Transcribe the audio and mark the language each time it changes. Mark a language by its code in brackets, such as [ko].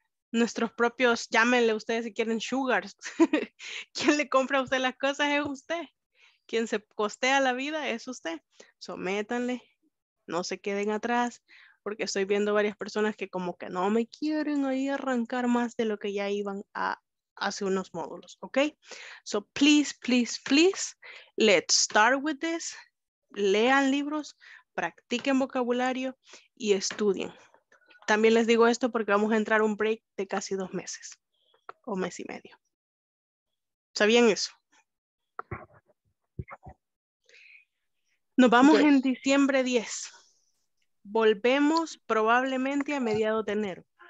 [es] Nuestros propios, llámenle ustedes si quieren sugars, ¿quién le compra a usted las cosas? Es usted, quien se costea la vida es usted, sométanle, no se queden atrás. Porque estoy viendo varias personas que como que no me quieren ahí arrancar más de lo que ya iban a hace unos módulos, ¿ok? [en] So, please, please, please, let's start with this. [es] Lean libros, practiquen vocabulario y estudien. También les digo esto porque vamos a entrar un break de casi 2 meses o mes y medio. ¿Sabían eso? Nos vamos en diciembre 10. Volvemos probablemente a mediados de enero.